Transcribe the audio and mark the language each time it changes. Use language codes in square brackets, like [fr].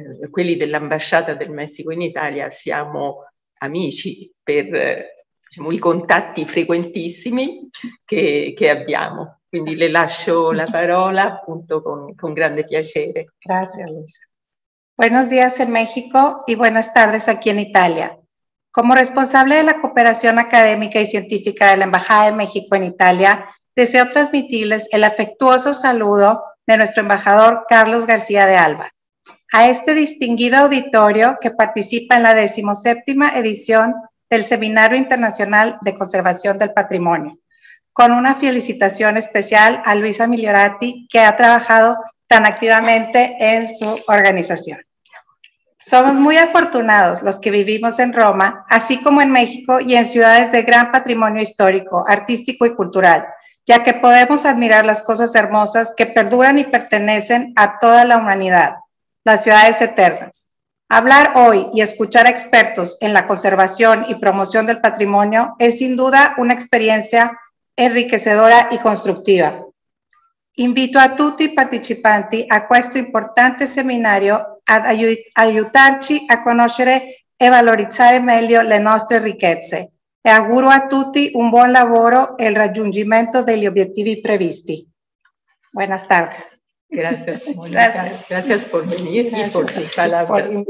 [it] quelli dell'ambasciata del Messico in Italia siamo amici per diciamo, i contatti frequentissimi che abbiamo, quindi le lascio la parola appunto con grande piacere. Grazie Luisa. [es] Buenos días en México y buenas tardes aquí en Italia. Como responsable de la cooperación académica y científica de la Embajada de México en Italia, deseo transmitirles el afectuoso saludo de nuestro embajador Carlos García de Alba a este distinguido auditorio que participa en la 17ª edición del Seminario Internacional de Conservación del Patrimonio, con una felicitación especial a Luisa Migliorati, que ha trabajado tan activamente en su organización. Somos muy afortunados los que vivimos en Roma, así como en México y en ciudades de gran patrimonio histórico, artístico y cultural, ya que podemos admirar las cosas hermosas que perduran y pertenecen a toda la humanidad. Las ciudades eternas. Hablar hoy y escuchar a expertos en la conservación y promoción del patrimonio es sin duda una experiencia enriquecedora y constructiva. [it] Invito a tutti i partecipanti a questo importante seminario ad aiutarci a conoscere e valorizzare meglio le nostre ricchezze e auguro a tutti un buon lavoro e il raggiungimento degli obiettivi previsti. [es] Buenas tardes. Gracias, Monica. Gracias por venir y por sus palabras.